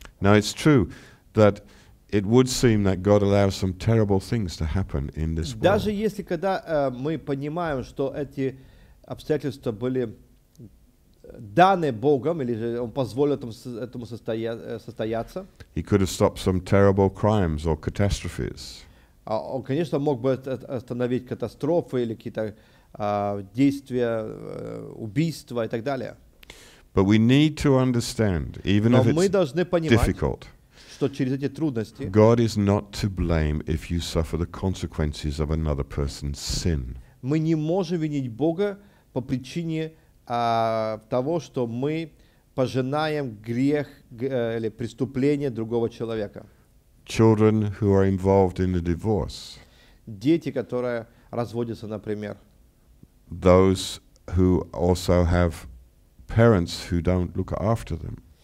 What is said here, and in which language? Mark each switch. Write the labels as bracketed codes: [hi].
[en] Now it's true that it would seem that God allows some terrible things to happen in this world. [ru] Даже если когда мы понимаем, что эти обстоятельства были даны Богом, или же Он позволил этому состояться. [en] He could have stopped some terrible crimes or catastrophes. [ru] Он, конечно, мог бы остановить катастрофы или какие-то действия, убийства и так далее. [en] But we need to understand, even if it's difficult, [ru] что через эти трудности [en] God is not to blame if you suffer the consequences of another person's sin. [ru] Мы не можем винить Бога по причине того, что мы пожинаем грех или преступление другого человека. [en] Children who are involved in a divorce. [ru] Дети, которые разводятся, например. [en] Those who also have parents who don't look after them.